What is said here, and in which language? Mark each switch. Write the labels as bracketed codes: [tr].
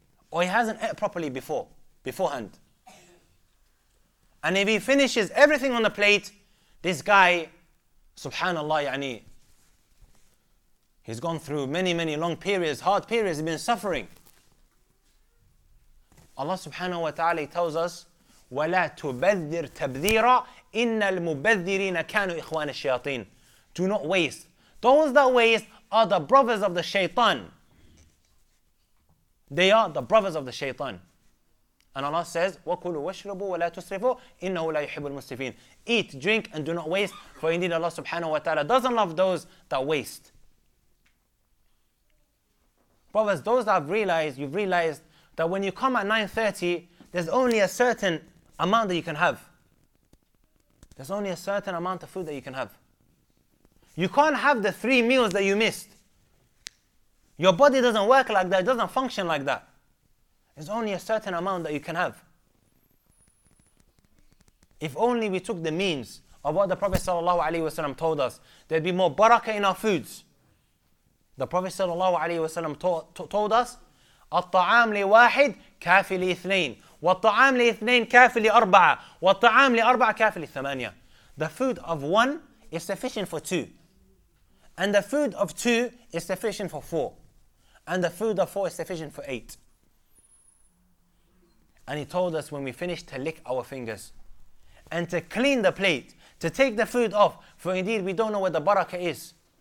[en] Or he hasn't ate properly beforehand. And if he finishes everything on the plate, this guy, subhanallah, yani, he's gone through many, many long periods, hard periods, he's been suffering. Allah subhanahu wa ta'ala tells us, [ar] وَلَا تُبَذِّرْ تَبْذِيرًا إِنَّ الْمُبَذِّرِينَ كَانُوا إِخْوَانَ الشَّيَاطِينَ. [en] Do not waste. Those that waste are the brothers of the shaitan. They are the brothers of the shaitan. And Allah says, [ar] وَكُلُوا وَشْرَبُوا وَلَا تُسْرِفُوا إِنَّهُ لَا يُحِبُّ الْمُسْرِفِينَ. [en] Eat, drink, and do not waste. For indeed Allah subhanahu wa ta'ala doesn't love those that waste. Brothers, those that have realized, you've realized that when you come at 9:30, there's only a certain amount that you can have. There's only a certain amount of food that you can have. You can't have the 3 meals that you missed. Your body doesn't work like that. It doesn't function like that. There's only a certain amount that you can have. If only we took the means of what the Prophet sallallahu alaihi wasallam told us, there'd be more barakah in our foods. The Prophet sallallahu alaihi wasallam told us, [ar] "الطعام لواحد كافي لاثنين والطعام لاثنين كافي لأربعة والطعام لأربعة كافي لثمانية." [en] The food of one is sufficient for two, and the food of two is sufficient for four. And the food of four is sufficient for eight. And he told us when we finish to lick our fingers and to clean the plate, to take the food off, for indeed we don't know where the barakah is.